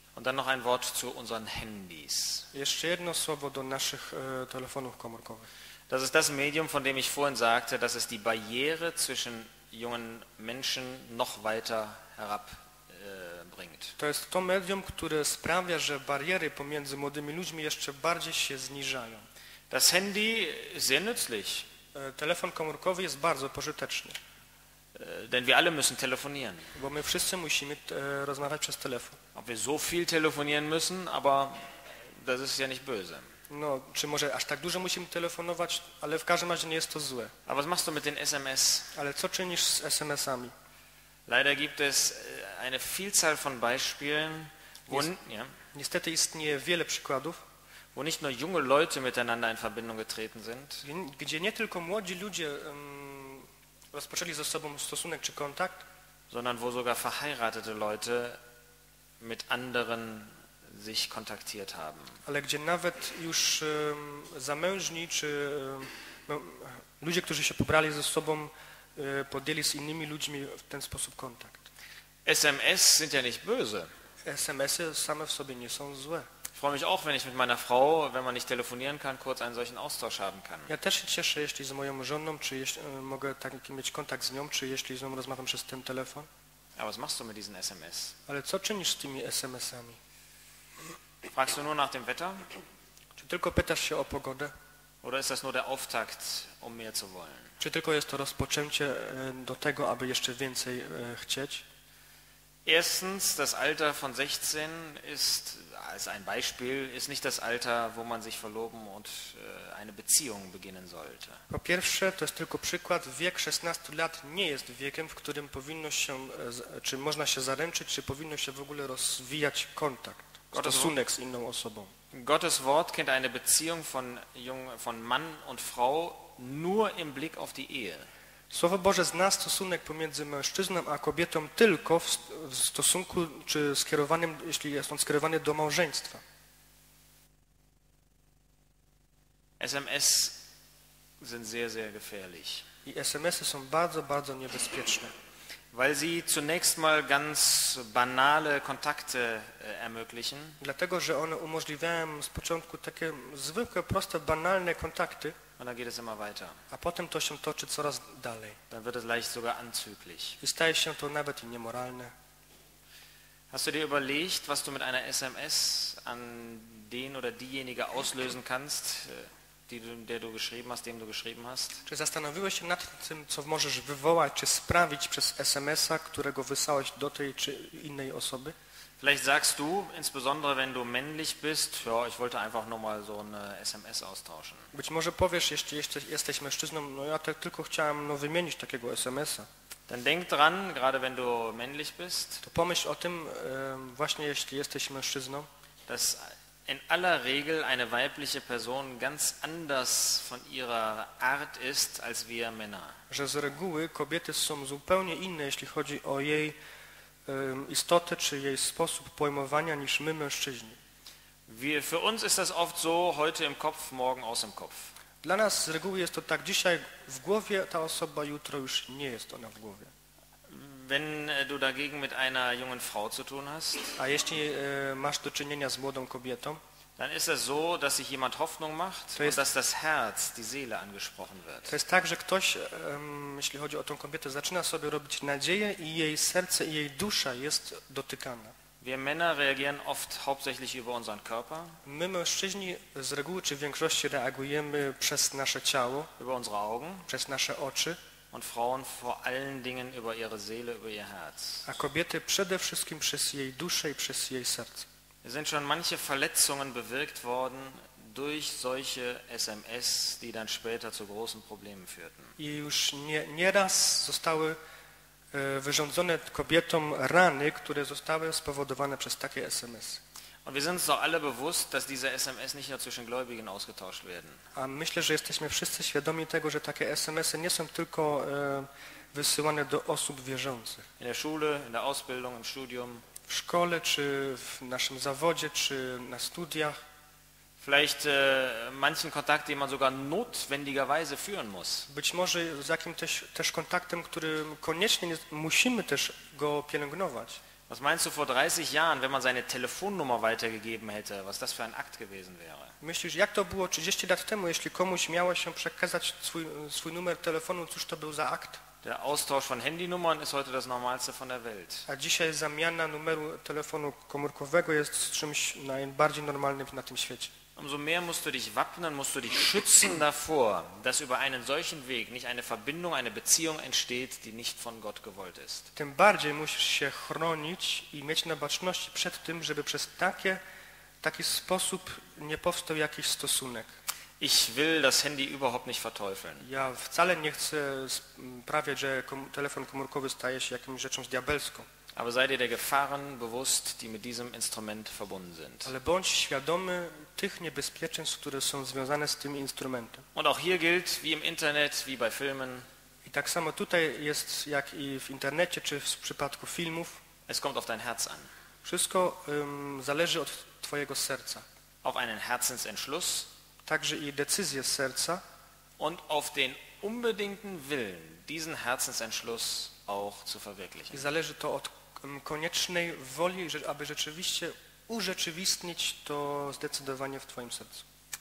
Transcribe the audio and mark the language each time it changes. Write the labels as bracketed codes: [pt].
[de] Und dann noch ein Wort zu unseren Handys. [pl] Jeszcze jedno słowo do naszych telefonów komórkowych. [de] Das ist das Medium, von dem ich vorhin sagte, dass es die Barriere zwischen jungen Menschen noch weiter herabbringt. [pl] To jest to medium, które sprawia, że bariery pomiędzy młodymi ludźmi jeszcze bardziej się zniżają. [de] Das Handy sehr nützlich. [pl] Telefon komórkowy jest bardzo pożyteczny. [de] Denn wir alle müssen telefonieren. [pl] Bo my wszyscy musimy rozmawiać przez telefon. [de] Ob wir so viel telefonieren müssen, aber das ist ja nicht böse. [pl] No, czy może aż tak dużo musimy telefonować, ale w każdym razie nie jest to złe. [de] A was machst du mit den SMS? [pl] Ale co czynisz z SMS-ami? [de] Leider gibt es eine Vielzahl von Beispielen, wo [pl] niestety istnieje wiele przykładów, [de] wo nicht nur junge Leute miteinander in Verbindung getreten sind. [pl] Gdzie nie tylko młodzi ludzie rozpoczęli ze sobą stosunek czy kontakt, [de] sondern wo sogar verheiratete Leute mit anderen sich kontaktiert haben. [pl] Ale gdzie nawet już zamężni czy ludzie, którzy się pobrali ze sobą, podjęli z innymi ludźmi w ten sposób kontakt. [de] SMS sind ja nicht böse. [pl] SMS-y same w sobie nie są złe. [de] Freue mich auch, wenn ich mit meiner Frau, wenn man nicht telefonieren kann, kurz einen solchen Austausch haben kann. [pl] Ja też się cieszę, jeśli z moją żoną, czy jeśli mogę taki mieć kontakt z nią, czy jeśli z nią rozmawiam przez ten telefon. [de] Aber was machst du mit diesen SMS? [pl] Ale co czynisz z tymi SMS-ami? [de] Fragst du nur nach dem Wetter? [pl] Czy tylko pytasz się o pogodę? [de] Oder ist das nur der Auftakt, um mehr zu wollen? [pl] Czy tylko jest to rozpoczęcie do tego, aby jeszcze więcej chcieć? [de] Erstens, das Alter von 16 ist als ein Beispiel ist nicht das Alter, wo man sich verloben und eine Beziehung beginnen sollte. [pl] Po pierwsze, to jest tylko przykład, wiek 16 lat nie jest wiekiem, w którym powinno się czy można się zaręczyć, czy powinno się w ogóle rozwijać kontakt. Stosunek z inną osobą. [de] Gottes Wort kennt eine Beziehung von Mann und Frau nur im Blick auf die Ehe. [pl] Słowo Boże zna stosunek pomiędzy mężczyzną a kobietą tylko w stosunku czy skierowanym, jeśli jest on skierowany do małżeństwa. [de] SMS sind sehr, sehr gefährlich. [pl] I SMS-y są bardzo, bardzo niebezpieczne. [de] Weil sie zunächst mal ganz banale Kontakte ermöglichen. [pl] Dlatego, że one umożliwiają z początku takie zwykłe, proste, banalne kontakty. [de] Und dann geht es immer weiter. [pl] A potem to się toczy coraz dalej. [de] Dann wird es leicht sogar anzüglich. [pl] I staje się to nawet i niemoralne. [de] Hast du dir überlegt, was du mit einer SMS an den oder diejenige auslösen kannst, dem du geschrieben hast? [pl] Czy zastanowiłeś się nad tym, co możesz wywołać czy sprawić przez SMS-a, którego wysłałeś do tej czy innej osoby? [de] Vielleicht sagst du, insbesondere wenn du männlich bist, ja, ich wollte einfach nur mal so eine SMS austauschen. [pl] Być może powiesz, jeśli jesteś mężczyzną, no ja tylko chciałem wymienić takiego SMS-a. [de] Dann denk dran, gerade wenn du männlich bist. [pl] To pomyśl o tym, właśnie jeśli jesteś mężczyzną. [de] Dass in aller Regel eine weibliche Person ganz anders von ihrer Art ist als wir Männer. [pl] Że z reguły kobiety są zupełnie inne, jeśli chodzi o jej istotę czy jej sposób pojmowania niż my mężczyźni. [de] Für uns ist das oft so, heute im Kopf, morgen aus dem Kopf. [pl] Dla nas z reguły jest to tak, dzisiaj w głowie ta osoba, jutro już nie jest ona w głowie. [de] Wenn du dagegen mit einer jungen Frau zu tun hast, [pl] a jeśli masz do czynienia z młodą kobietą, [de] dann ist es so, dass sich jemand Hoffnung macht und dass das Herz, die Seele angesprochen wird. [pl] To jest tak, że ktoś, jeśli chodzi o tą kobietę, zaczyna sobie robić nadzieję i jej serce i jej dusza jest dotykana. [de] Wir Männer reagieren oft hauptsächlich über unseren Körper. [pl] My mężczyźni z reguły czy w większości reagujemy przez nasze ciało, [de] über unsere Augen, [pl] przez nasze oczy. [de] Und Frauen vor allen Dingen über ihre Seele, über ihr Herz. [pl] A kobiety przede wszystkim przez jej duszę i przez jej serce. [de] Es sind schon manche Verletzungen bewirkt worden durch solche SMS, die dann später zu großen Problemen führten. [pl] I już nieraz zostały wyrządzone kobietom rany, które zostały spowodowane przez takie SMS. [de] Und wir sind uns doch alle bewusst, dass diese SMS nicht nur zwischen Gläubigen ausgetauscht werden. [pl] A myślę, że jesteśmy wszyscy świadomi tego, że takie SMS-y nie są tylko wysyłane do osób wierzących. [de] In der Schule, in der Ausbildung, im Studium. [pl] W szkole, czy w naszym zawodzie, czy na studiach. [de] Vielleicht manchen Kontakt, den man sogar notwendigerweise führen muss. [pl] Być może z jakimś też kontaktem, który koniecznie musimy też go pielęgnować. [de] Was meinst du vor 30 Jahren, wenn man seine Telefonnummer weitergegeben hätte, was das für ein Akt gewesen wäre? [pl] Myślisz, jak to było 30 lat temu, jeśli komuś miało się przekazać swój numer telefonu, cóż to był za akt? [de] Der Austausch von Handynummern ist heute das Normalste von der Welt. [pl] A dzisiaj zamiana numeru telefonu komórkowego jest czymś najbardziej normalnym na tym świecie. [de] Umso mehr musst du dich wappnen, musst du dich schützen davor, dass über einen solchen Weg nicht eine Verbindung, eine Beziehung entsteht, die nicht von Gott gewollt ist. [pl] Tym bardziej musisz się chronić i mieć na baczności przed tym, żeby przez taki sposób nie powstał jakiś stosunek. [de] Ich will das Handy überhaupt nicht verteufeln. [pl] Ja wcale nie chcę sprawiać, że telefon komórkowy staje się jakąś rzeczą diabelską. [de] Aber sei dir der Gefahren bewusst, die mit diesem Instrument verbunden sind. [pl] Ale bądź świadomy tych niebezpieczeństw, które są związane z tym instrumentem. [de] Und auch hier gilt, wie im Internet, wie bei Filmen. [pl] I tak samo tutaj jest, jak i w internecie, czy w przypadku filmów. [de] Es kommt auf dein Herz an. [pl] Wszystko zależy od twojego serca. [de] Auf einen Herzensentschluss. [pl] Także i decyzję serca. [de] Und auf den unbedingten Willen, diesen Herzensentschluss auch zu verwirklichen. [pl] I zależy to od koniecznej woli, aby rzeczywiście urzeczywistnić to zdecydowanie w twoim sercu.